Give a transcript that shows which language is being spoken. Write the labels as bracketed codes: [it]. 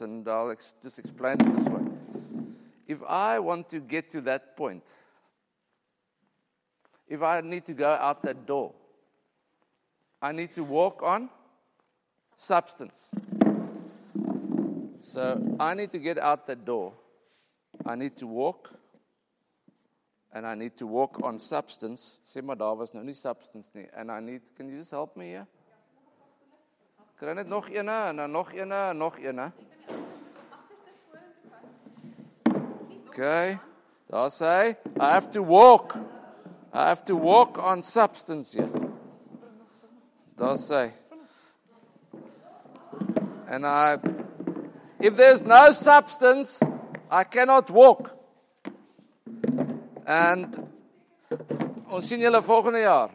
[en] And I'll just explain it this way. If I want to get to that point, if I need to go out that door, I need to walk on substance. So I need to get out that door. I need to walk. And I need to walk on substance. [af] Sê maar daar was nou nie substance nie. [en] And I need, can you just help me here? [af] Kry net nog ene, en dan nog ene, en nog ene. [en] Okay? They'll say, I have to walk. I have to walk on substance here. They'll say. And if there's no substance, I cannot walk. [af] And ons sien julle volgende jaar.